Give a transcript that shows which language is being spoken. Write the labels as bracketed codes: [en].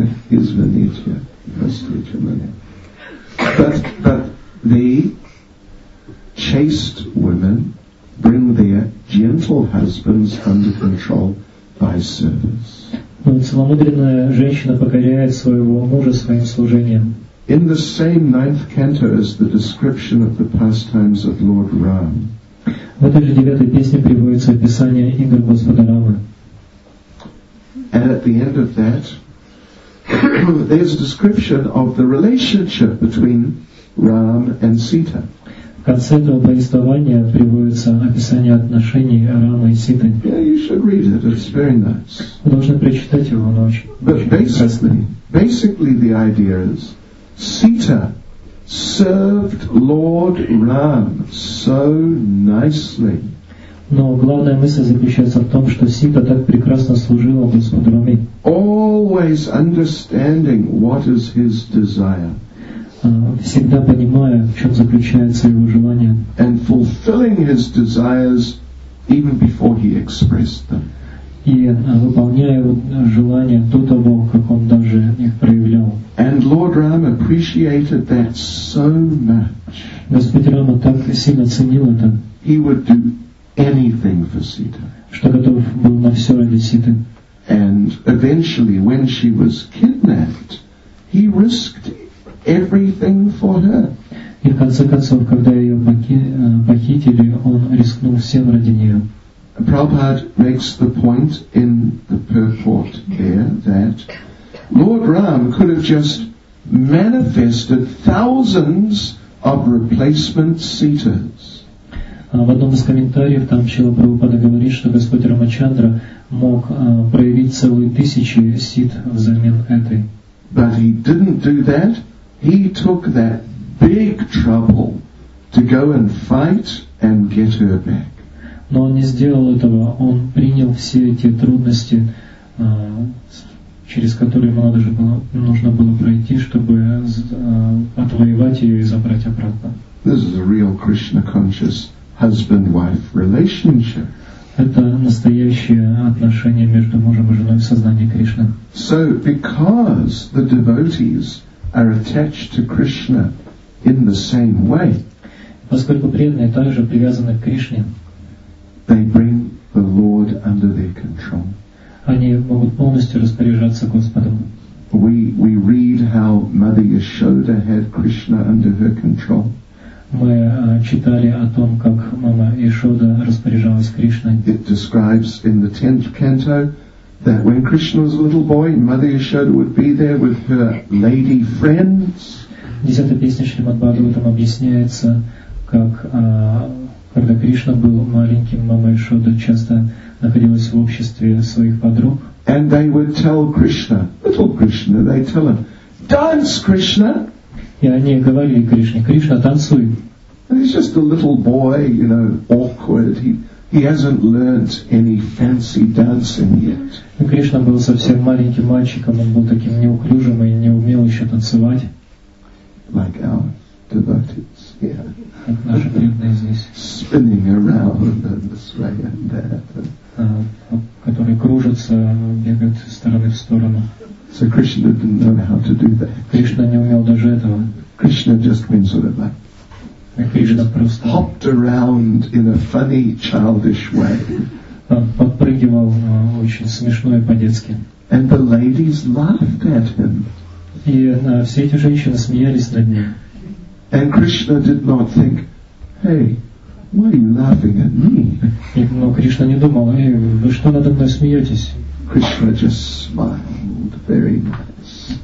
[ru] Извините, простите меня. [en] But the chaste women bring their gentle husbands under control by service. [ru] Но целомудренная женщина покоряет своего мужа своим служением. [en] In the same ninth canto as the description of the pastimes of Lord Ram. [ru] В этой же девятой песне приводится описание игр Господа Рамы. [en] And at the end of that, there's a description of the relationship between Ram and Sita. [ru] В конце этого повествования приводится описание отношений Рамы и Ситы. [en] Yeah, you should read it. It's very nice. [ru] Вы должны прочитать его, оно очень интересно. [en] Basically, the idea is Sita served Lord Ram so nicely. [ru] Но главная мысль заключается в том, что Сита так прекрасно служила Господу Раме. [en] Always understanding what is his desire. [ru] Всегда понимая, в чем заключается его желание. [en] And fulfilling his desires even before he expressed them. [ru] И выполняя его желания до того, как он даже их проявлял. [en] And Lord Ram appreciated that so much. [ru] Господь Рама так сильно ценил это. [en] He would do anything for Sita. [ru] Что готов был на все ради Ситы. [en] And eventually, when she was kidnapped, he risked everything for her. [ru] И в конце концов, когда ее похитили, он рискнул всем ради нее. [en] Prabhupada makes the point in the purport there that Lord Ram could have just manifested thousands of replacement sitas. [ru] В одном из комментариев там Шрила Прабхупада говорит, что Господь Рамачандра мог проявить целые тысячи сит взамен этой. [en] But he didn't do that. He took that big trouble to go and fight and get her back. [ru] Но он не сделал этого, он принял все эти трудности, через которые ему надо же было, нужно было пройти, чтобы отвоевать ее и забрать обратно. [en] This is a real Krishna-conscious husband-wife relationship. [ru] Это настоящее отношение между мужем и женой в сознании Кришны. [en] So, because the devotees are attached to Krishna in the same way, [ru] поскольку преданные также привязаны к Кришне, [en] they bring the Lord under their control. [ru] Они могут полностью распоряжаться Господом. [en] We read how Mother Yashoda had Krishna under her control. [ru] Мы читали о том, как мама Яшода распоряжалась Кришной. [en] It describes in the 10th canto that when Krishna was a little boy, Mother Yashoda would be there with her lady friends. [ru] В 10-й песне Шримад Бхагаватам объясняется, как когда Кришна был маленьким, мама Яшода часто находилась в обществе своих подруг. [en] And they would tell Krishna, little Krishna, they tell him, dance, Krishna. [ru] И они говорили Кришне, Кришна, танцуй. [en] And he's just a little boy, you know, awkward. He hasn't learned any fancy dancing yet. [ru] И Кришна был совсем маленьким мальчиком, он был таким неуклюжим и не умел еще танцевать. [en] Like our devotees. Yeah. Spinning around in this way and that. [ru] Которые кружатся, бегают из стороны в сторону. [en] So Krishna didn't know how to do that. [ru] Кришна не умел даже этого. [en] Krishna just went sort of like. [ru] Кришна просто [en] hopped around in a funny, childish way. [ru] Подпрыгивал очень смешно и по-детски. [en] And the ladies laughed at him. [ru] И все эти женщины смеялись над ним. [en] And Krishna did not think, "Hey, why are you laughing at me?" [ru] Но Кришна не думал, "Эй, вы что надо мной смеетесь?" [en] Krishna just smiled very nice.